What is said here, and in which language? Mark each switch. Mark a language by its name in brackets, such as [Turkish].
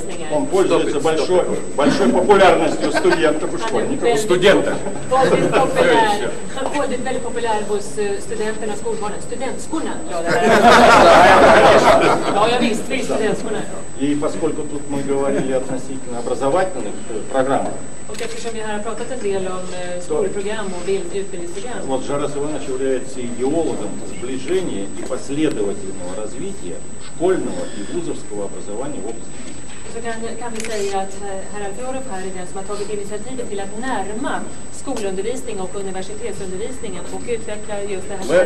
[Russian] Он пользуется большой популярностью студентов и школьников. Студентов. Он очень популярен у студентов и школьников. студентскую, да. И поскольку тут мы говорили относительно образовательных программ. [Swedish] Och eftersom vi här har pratat en del om skolprogram och utbildningsprogram. [Russian] Вот Жарас Иванович является идеологом сближения и последовательного развития школьного и вузовского образования в области. [Swedish] Så kan vi säga att herr Alfjörup här är den som har tagit initiativet till att närma skolundervisning och universitetsundervisningen och utveckla just det här